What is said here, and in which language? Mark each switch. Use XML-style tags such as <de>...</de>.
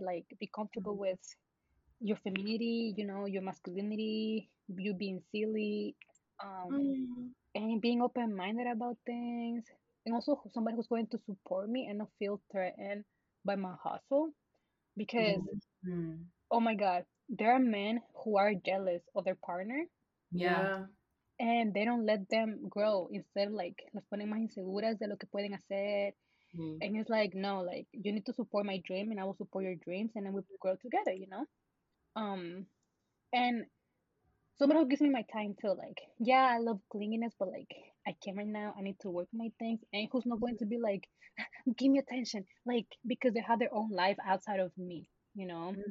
<en>Like, be comfortable with your femininity, you know, your masculinity, you being silly, and being open-minded about things. And also somebody who's going to support me and not feel threatened by my hustle. Because, oh my God, there are men who are jealous of their partner. Yeah. And they don't let them grow. Instead, like,</en> <es>las ponen más inseguras de lo que pueden hacer.</es> <en>And it's like, no, like, you need to support my dream and I will support your dreams and then we'll grow together, you know? And somebody who gives me my time too, like, yeah, I love clinginess, but like, I can't right now, I need to work my things. And who's not going to be like, give me attention, like, because they have their own life outside of me, you know? Mm-hmm.</en>